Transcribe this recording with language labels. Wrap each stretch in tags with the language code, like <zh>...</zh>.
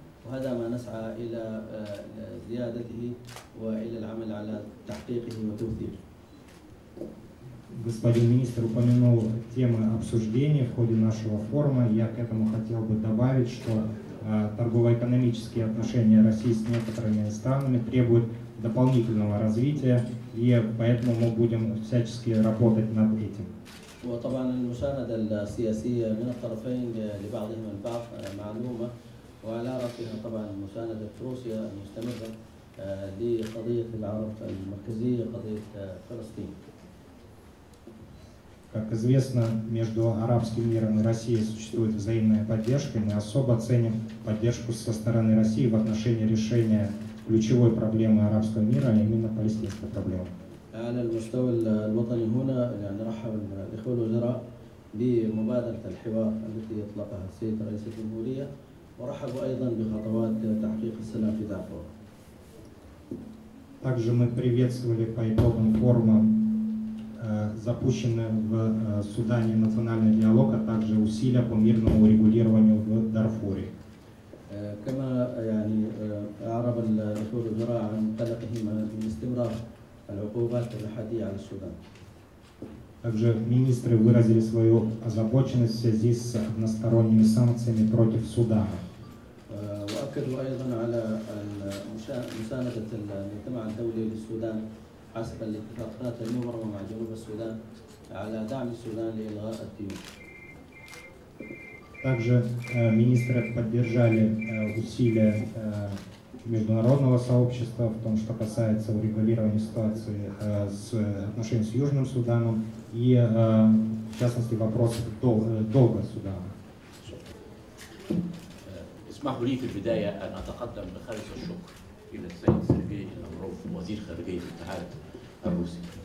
<ar>وهذا ما نسعى إلى زيادته وإلى العمل على تحقيقه وتوثيقه.</ar> <ru>Господин министр упомянул темы обсуждения в ходе нашего форума. Я к этому хотел бы добавить, что торгово-экономические отношения России с некоторыми странами требуют дополнительного развития, и поэтому мы будем всячески работать над этим.</ru> <ar>وطبعاً المساندة السياسية من الطرفين لبعضهم البعض معلومة. وعلى رأسها طبعا مساندة روسيا المستمرة لقضية العرب المركزية قضية فلسطين.</ar> <ru>Как известно, между арабским миром и Россией существует взаимная поддержка. Мы особо ценим поддержку со стороны России в отношении решения ключевой проблемы арабского мира, а именно палестинской проблемы.</ru> <ar>على المستوى الوطني هنا نرحب الإخوة الوزراء بمبادرة الحوار التي يطلقها السيد رئيس الجمهورية. ورحبوا أيضا بخطوات تحقيق السلام في دارفور.</ar> <ru>Также мы приветствовали по итогам форума запущенный в Судане национальный диалог, а также усилия по мирному урегулированию в Дарфуре.</ru> <ar>كما يعني أعرب الإخوة الوزراء عن قلقهم من استمرار العقوبات الحادية على السودان.</ar> <ru>Также министры выразили свою озабоченность в связи с односторонними санкциями против Судана.</ru> <ar>وأكدوا أيضا على مساندة المجتمع الدولي للسودان حسب الاتفاقات المبرمة مع جنوب السودان على دعم السودان لإلغاء الديون.</ar> <ru>Также министры поддержали усилия международного сообщества в том, что касается урегулирования ситуации с отношениями с Южным Суданом и в частности вопросов долга Судана.</ru> <ar>اسمحوا لي في البداية أن أتقدم بخالص الشكر إلى السيد سيرجي لافروف وزير خارجية الاتحاد الروسي.</ar>